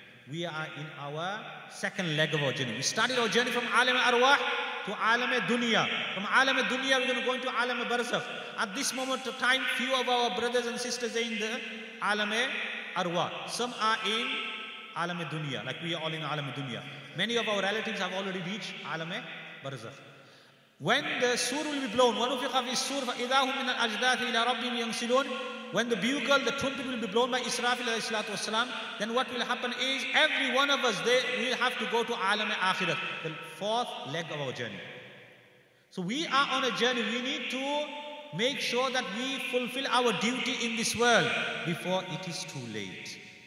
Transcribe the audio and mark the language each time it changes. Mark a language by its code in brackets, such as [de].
[en] We are in our second leg of our journey. We started our journey from alam arwah to alam dunya. From alam dunya, we're going to go into alam barzakh. At this moment of time, few of our brothers and sisters are in the alam arwah. Some are in alam dunya, like we are all in alam dunya. Many of our relatives have already reached alam barzakh. When the sur will be blown, [ar] وَنُفِقَ فِي السُّرْ فَإِذَاهُمْ مِنَ الْأَجْدَاثِ إِلَىٰ رَبِّهِمْ يَنْسِلُونَ. [en] When the bugle, the trumpet will be blown by Israfil alayhi salatu wasalam, then what will happen is every one of us, they will have to go to alam akhirat, the fourth leg of our journey. So we are on a journey. We need to make sure that we fulfill our duty in this world before it is too late.